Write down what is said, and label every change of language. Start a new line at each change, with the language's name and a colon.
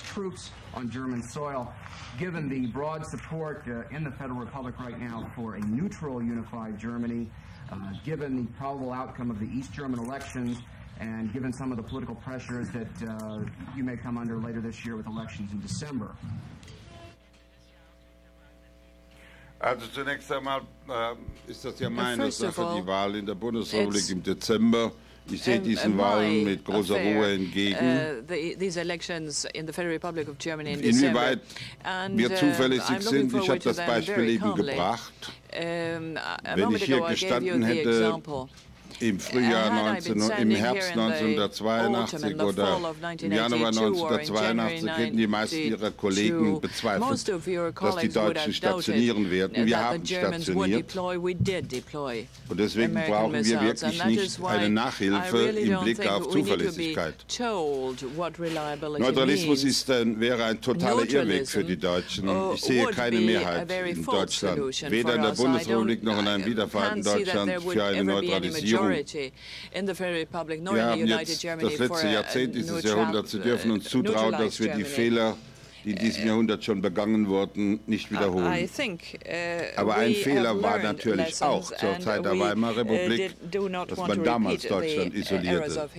English: troops on German soil, given the broad support in the Federal Republic right now for a neutral, unified Germany, given the probable outcome of the East German elections, and given some of the political pressures that you may come under later this year with elections in December.
German: Also zunächst einmal ist das ja meine Sache, die Wahl in der Bundesrepublik im Dezember. Ich sehe diesen Wahlen mit großer Ruhe entgegen.
English: These elections in the Federal Republic of Germany in December.
German: Inwieweit wir zuverlässig sind, ich habe das Beispiel eben gebracht. Wenn ich hier gestanden hätte, im Frühjahr im Herbst 1982 oder im Januar 1982 hätten die meisten ihrer Kollegen bezweifelt, dass die Deutschen stationieren werden. Wir haben stationiert. Und deswegen brauchen wir wirklich nicht eine Nachhilfe im Blick auf Zuverlässigkeit. Neutralismus wäre ein totaler Irrweg für die Deutschen. Ich sehe keine Mehrheit in Deutschland, weder in der Bundesrepublik noch in einem Wiedervereinten Deutschland für eine Neutralisierung.
English: In the Federal Republic, nor in the United Germany,
German: das letzte Jahrzehnt dieses Jahrhunderts zu dürfen uns zutrauen, dass wir die Fehler, die in diesem Jahrhundert schon begangen wurden, nicht wiederholen. Aber ein Fehler war natürlich auch zur Zeit der Weimarer Republik, dass man damals Deutschland isolierte.